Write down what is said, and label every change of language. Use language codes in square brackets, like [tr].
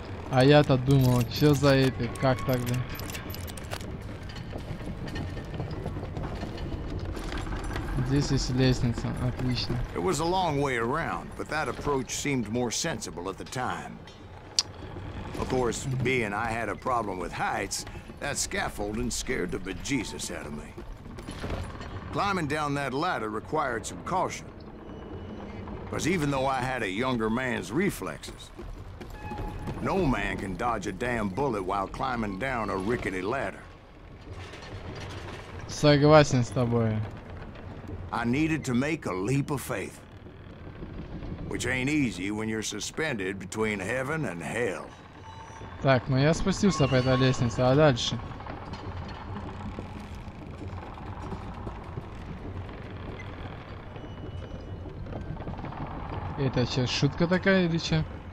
[ru] А я-то думал, что за это, как тогда? Здесь есть лестница, отлично. [en] It was a long way around, but that approach seemed more sensible at the time. Of course, being I had a problem with heights, that scaffolding scared the bejesus out of me. Climbing down that ladder required some caution. Because even though I had a younger man's reflexes, no man can dodge a damn bullet while climbing down a rickety ladder. [ru] Согласен с тобой. [en] I needed to make a leap of faith, which ain't easy when you're suspended between heaven and hell. [ru] Так, ну я спустился по этой лестнице, а дальше? Это что, шутка такая или что?